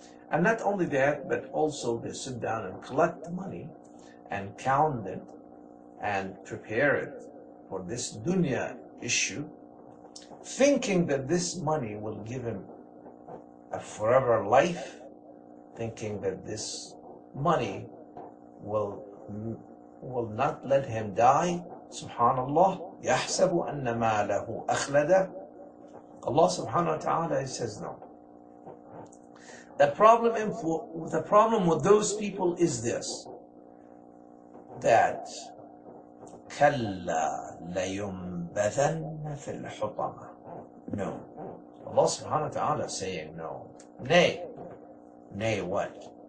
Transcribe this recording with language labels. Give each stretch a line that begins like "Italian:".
English: And not only that, but also they sit down and collect the money and count it and prepare it for this dunya issue, thinking that this money will give him a forever life, thinking that this money will not let him die.
Arabic: SubhanAllah, يَحْسَبُ أَنَّ مَا لَهُ أَخْلَدَ.
English: Allah subhanahu wa ta'ala, he says no. The problem with those people is this, that
Arabic: كَلَّا لَيُنْبَذَنَّ فِي الْحُطَمَةِ.
English: No. Allah subhanahu wa ta'ala saying no. Nay. Nay what?